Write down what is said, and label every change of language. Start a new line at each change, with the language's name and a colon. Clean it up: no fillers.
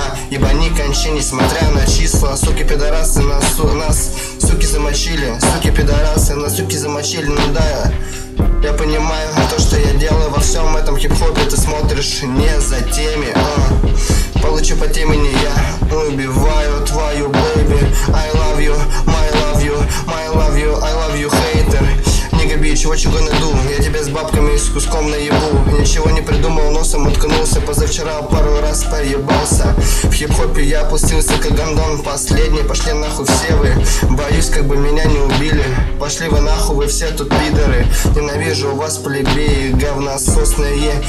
Russian: Ебани, кончи, несмотря на числа. Суки, пидорасы, нас суки замочили, суки пидорасы, на суки замочили, ну да. Я понимаю то, что я делаю во всем этом хип-хопе, ты смотришь не за теми. Получу по темени, я убиваю твою, baby.
English: I love you, my love you, my love you, I love you, hater. Nigga bitch, what you gonna do?
Russian: Я тебя с бабками и с куском наебу. Ничего не придумал, носом уткнулся. Позавчера пару раз поебался. В хип-хопе я опустился, как гандон последний. Пошли нахуй все вы. Боюсь, как бы меня не убили. Пошли вы нахуй, вы все тут пидоры. Ненавижу вас, плебеи, говнососные.